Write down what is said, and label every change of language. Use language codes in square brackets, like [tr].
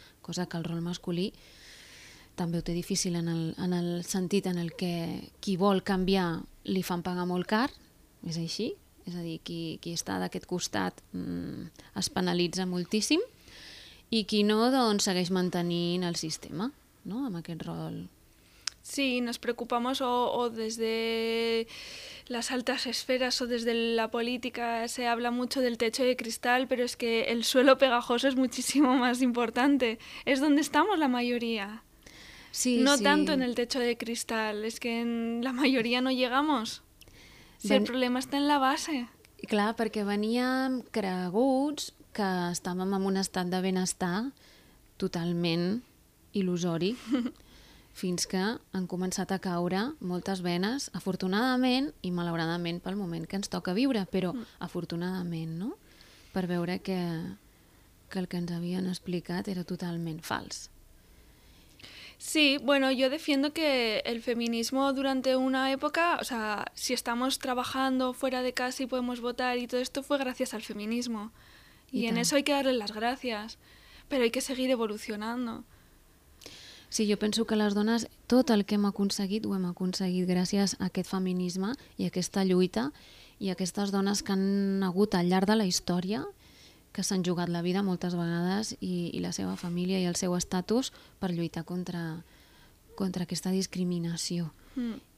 [ca] Cosa que el rol masculí també ho té difícil en el sentit en el que qui vol canviar li fan pagar molt car, és així, és a dir, qui està d'aquest costat es penalitza moltíssim i qui no, doncs, segueix mantenint el sistema, no? Amb aquest rol. [es] Sí, nos preocupamos o desde las altas esferas o desde la política se habla mucho del techo de cristal, pero es que el suelo pegajoso es muchísimo más importante. Es donde estamos la mayoría. Sí, no sí. Tanto en el techo de cristal, es que en la mayoría no llegamos. Si el problema está en la base. [ca] Clar, perquè veníem creguts que estàvem en un estat de benestar totalment il·lusori. Fins que han començat a caure moltes venes, afortunadament i malauradament pel moment que ens toca viure, però afortunadament, no? Per veure que el que ens havien explicat era totalment fals. [es] Sí, bueno, yo defiendo que el feminismo durante una época, o sea, si estamos trabajando fuera de casa y podemos votar y todo esto fue gracias al feminismo. Y en eso hay que darle las gracias, pero hay que seguir evolucionando. [ca] Sí, jo penso que les dones, tot el que hem aconseguit, ho hem aconseguit gràcies a aquest feminisme i a aquesta lluita i a aquestes dones que han hagut al llarg de la història, que s'han jugat la vida moltes vegades i la seva família i el seu estatus per lluitar contra aquesta discriminació. Mm.